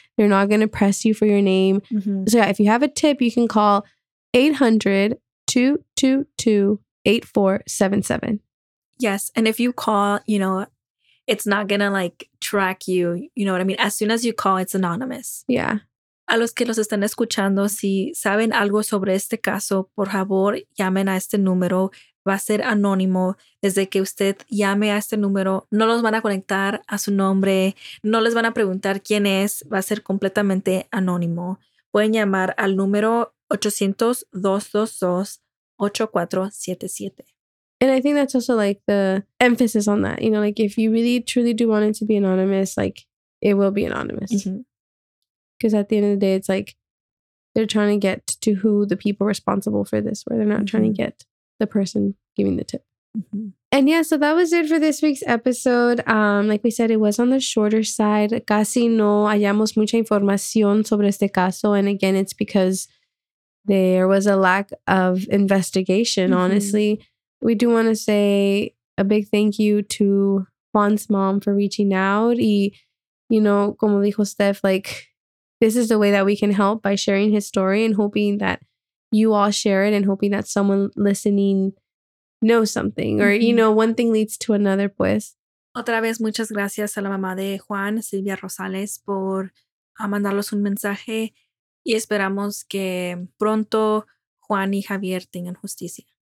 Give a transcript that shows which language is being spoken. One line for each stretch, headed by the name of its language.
English: They're not going to press you for your name. Mm-hmm. So yeah, if you have a tip, you can call 800-222-8477. Yes. And if you call, you know, it's not gonna like track you. You know what I mean? As soon as you call, it's anonymous. Yeah.
Spanish: A los que los están escuchando, si saben algo sobre este caso, por favor, llamen a este número. Va a ser anónimo. Desde que usted llame a este número, no los van a conectar a su nombre. No les van a preguntar quién es. Va a ser completamente anónimo. Pueden llamar al número 800-222-8477.
English: And I think that's also like the emphasis on that. You know, like if you really truly do want it to be anonymous, like it will be anonymous. Because at the end of the day, it's like they're trying to get to who the people responsible for this were. They're not mm-hmm. trying to get the person giving the tip. Mm-hmm. And yeah, so that was it for this week's episode. Like we said, it was on the shorter side.
Spanish: Casi no hallamos mucha información sobre este caso.
English: And again, it's because there was a lack of investigation, mm-hmm. honestly. We do want to say a big thank you to Juan's mom for reaching out. Y, you know,
Spanish: como dijo Steph,
English: like, this is the way that we can help, by sharing his story and hoping that you all share it and hoping that someone listening know something, or, mm-hmm. you know, one thing leads to another, pues.
Spanish: Otra vez, muchas gracias a la mamá de Juan, Silvia Rosales, por mandarlos un mensaje, y esperamos que pronto Juan y Javier tengan justicia.